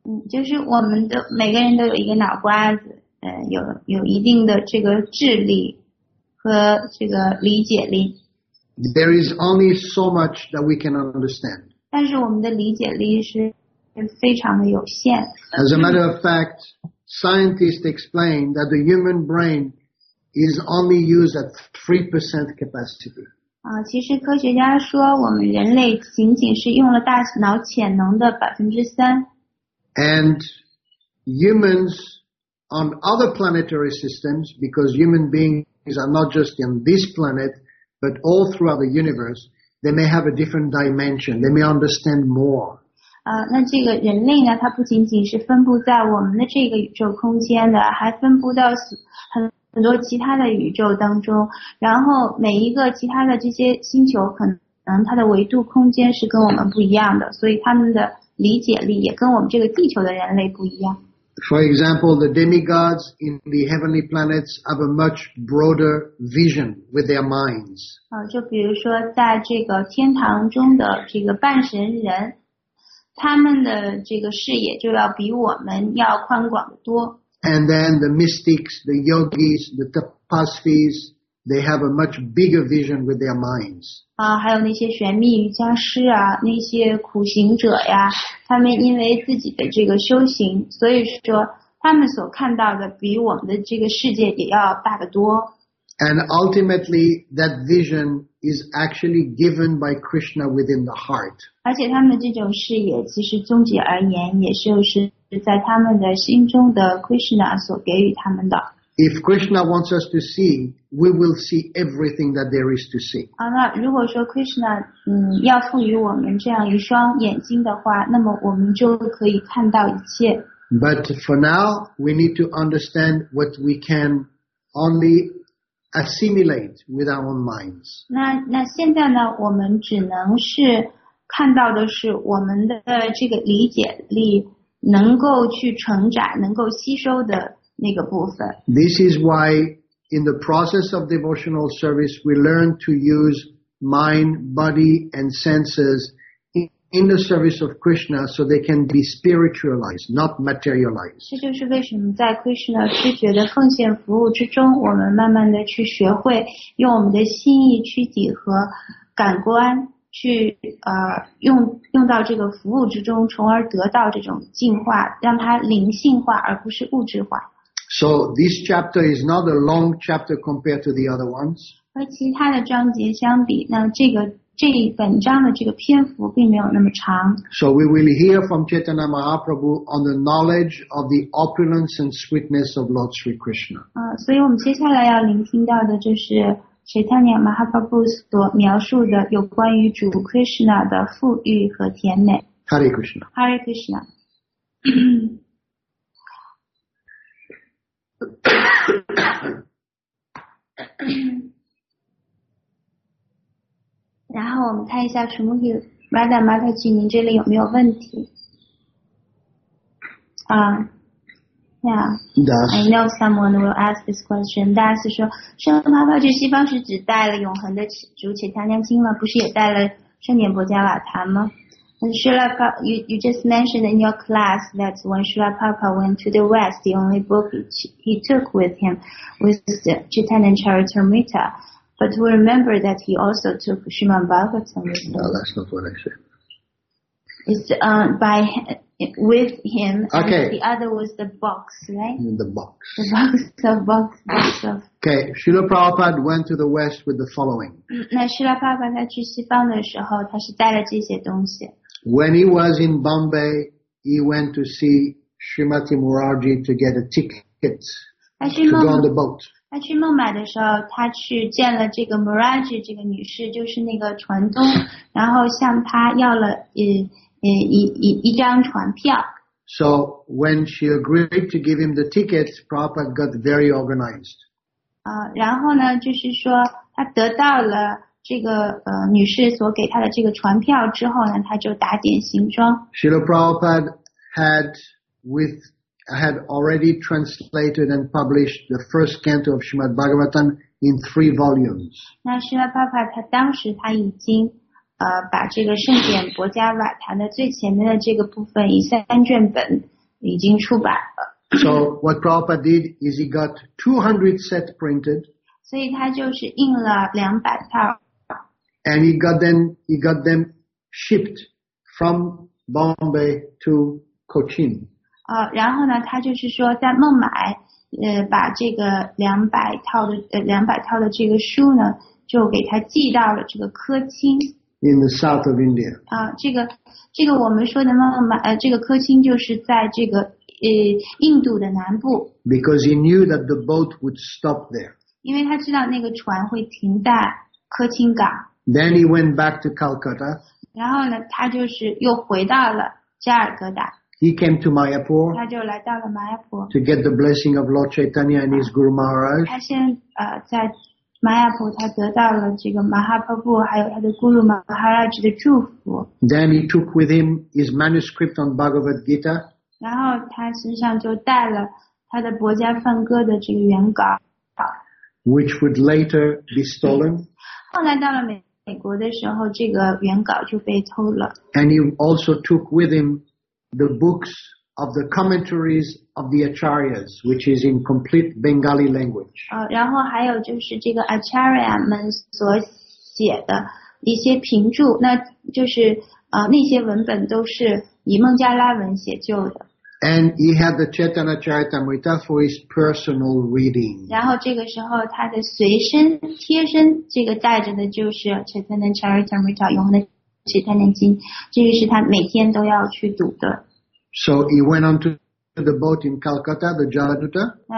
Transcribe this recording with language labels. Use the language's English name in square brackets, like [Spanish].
[Chinese] 就是我们的每个人都有一个脑瓜子。有一定的这个智力和这个理解力。 [English] There is only so much that we can understand. [Chinese] 但是我们的理解力是非常的有限。 [English] As a matter of fact, scientists explain that the human brain is only used at 3% capacity. [Chinese] 其实科学家说我们人类仅仅是用了大脑潜能的 3%。 [English] And humans... On other planetary systems, because human beings are not just on this planet, but all throughout the universe, they may have a different dimension. They may understand more. [Chinese] 那这个人类呢，它不仅仅是分布在我们的这个宇宙空间的，还分布到很多其他的宇宙当中。然后每一个其他的这些星球，可能它的维度空间是跟我们不一样的，所以他们的理解力也跟我们这个地球的人类不一样。 [English] For example, the demigods in the heavenly planets have a much broader vision with their minds. [Chinese] 就比如说在这个天堂中的这个半神人，他们的这个视野就要比我们要宽广得多。 [English] And then the mystics, the yogis, the tapasvis, they have a much bigger vision with their minds. [Chinese] 还有那些玄秘瑜伽师啊，那些苦行者呀。他们因为自己的这个修行，所以说他们所看到的比我们的这个世界也要大得多。 [English] And ultimately, that vision is actually given by Krishna within the heart. [Chinese] 而且他们这种视野，其实终极而言，也就是在他们的心中的 Krishna 所给予他们的。 [English] If Krishna wants us to see, we will see everything that there is to see. [Chinese] 那如果说 Krishna, 要赋予我们这样一双眼睛的话，那么我们就可以看到一切。 [English] But for now, we need to understand what we can only assimilate with our own minds. [Chinese] 那现在呢，我们只能是看到的是我们的这个理解力能够去承载能够吸收的那个部分。 [English] This is why in the process of devotional service we learn to use mind, body and senses in the service of Krishna so they can be spiritualized, not materialized. [Chinese] 这就是为什么在 Krishna 知觉的奉献服务之中我们慢慢的去学会用我们的心意躯体和感官去用到这个服务之中，从而得到这种进化，让它灵性化而不是物质化。 [English] So this chapter is not a long chapter compared to the other ones. [Chinese] 和其他的章节相比，那这本章的这个篇幅并没有那么长。 [English] So we will hear from Chaitanya Mahaprabhu on the knowledge of the opulence and sweetness of Lord Sri Krishna. [Chinese] 所以我们接下来要聆听到的就是Chaitanya Mahaprabhu 所描述的有关于主 Krishna 的富裕和甜美。 [English] Hare Krishna. Hare Krishna. Then we look at Shrimati Radha Mataji, do you have any questions here? Yeah, Das. I know someone will ask this question. [Chinese] Das 说，圣严婆这西方是只带了永恒的主且他娘经吗？不是也带了圣严婆伽瓦坛吗？ [English] And Srila Prabhupada, you just mentioned in your class that when Srila Prabhupada went to the West, the only book he took with him was the Chaitanya Charitamrita. But we remember that he also took Srimad Bhagavatam with him. No, that's not what I said. It's by with him, okay. And the other was the box, right? The box. The box. Okay, Srila Prabhupada went to the West with the following. [Chinese] 那 Srila Prabhupada 去西方的时候，他是带了这些东西。 [English] When he was in Bombay, he went to see Srimati Muraji to get a ticket to go on the boat. [Chinese] 他去孟买的时候，他去见了这个 Muraji 这个女士，就是那个船东，然后向他要了一张船票。 [English] So when she agreed to give him the tickets, Prabhupada got very organized. [Chinese] 然后呢，就是说他得到了这个女士所给他的这个船票之后呢，他就打点行装。 [English] Srila Prabhupada had already translated and published the first canto of Srimad Bhagavatam in 3 volumes. [Chinese] 那 Srila Prabhupada 他当时他已经把这个圣典薄伽瓦坛的最前面的这个部分以三卷本已经出版了。 [English] So what Prabhupada did is he got 200 set printed. [Chinese] 所以他就是印了200套。 [English] And he got them shipped from Bombay to Cochin. [Chinese] 然后呢，他就是说在孟买，把这个200套的这个书呢，就给他寄到了这个科钦。 [English] In the south of India. [Chinese] 这个我们说的孟买，这个科钦就是在这个印度的南部。 [English] Because he knew that the boat would stop there. [Chinese] 因为他知道那个船会停在科钦港。 [English] Then he went back to Calcutta. [Chinese] 然后呢，他就是又回到了加尔各答。 [English] He came to Mayapur. [Chinese] 他就来到了 Mayapur. [English] To get the blessing of Lord Chaitanya and his Guru Maharaj. [Chinese] 他先在Mayapur, 他得到了这个 Mahaprabhu 还有他的 Guru Maharaj 的祝福。 [English] Then he took with him his manuscript on Bhagavad Gita. [Chinese] 然后他身上就带了他的薄伽梵歌的这个原稿。 [English] Which would later be stolen. [Chinese] 后来到了美国的时候，这个原稿就被偷了。 [English] And he also took with him the books of the commentaries of the Acharyas, which is in complete Bengali language. [Chinese] 然后还有就是这个 Acharya 们所写的一些评注，那就是那些文本都是以孟加拉文写就的。 [English] And he had the Chaitanya Charitamrita for his personal reading. [Chinese] 然后这个时候他的随身贴身这个带着的就是 Chaitanya Charitamrita 永恒的其他念经，这个是他每天都要去读的。 [English] So he went on to the boat in Calcutta, the Jaladutta.